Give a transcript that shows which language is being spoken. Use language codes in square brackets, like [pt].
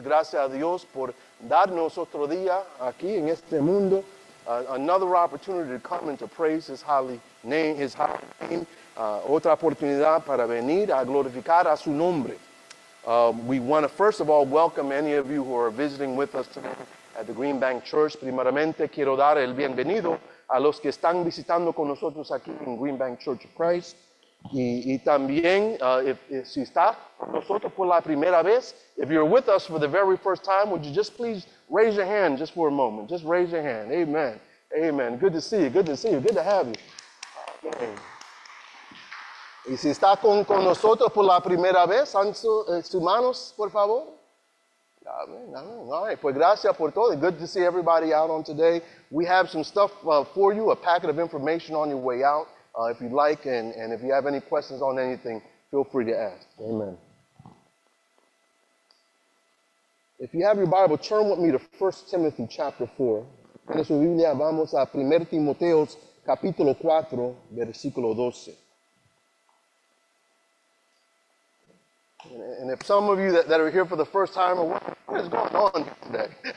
[es] Gracias a Dios por darnos otro día aquí en este mundo. [en] Another opportunity to come and to praise His holy name, His holy name. [es] Otra oportunidad para venir a glorificar a su nombre. [en] We want to first of all welcome any of you who are visiting with us tonight at the Green Bank Church. [es] Primeramente quiero dar el bienvenido a los que están visitando con nosotros aquí en Green Bank Church of Christ. Y también, si está nosotros por la primera vez, [en] if you're with us for the very first time, would you just please raise your hand just for a moment. Just raise your hand. Amen. Amen. Good to see you. Good to see you. Good to have you. [es] Okay. Y si está con nosotros por la primera vez, sus manos, por favor. [en] Amen. Amen. All right. [es] Pues gracias por todo. [en] Good to see everybody out on today. We have some stuff for you, a packet of information on your way out. If you'd like, and if you have any questions on anything, feel free to ask. Amen. If you have your Bible, turn with me to 1 Timothy chapter 4. [es] En su Biblia, vamos a 1 Timoteo capítulo 4, versículo 12. [en] And if some of you that are here for the first time, are wondering, what is going on today?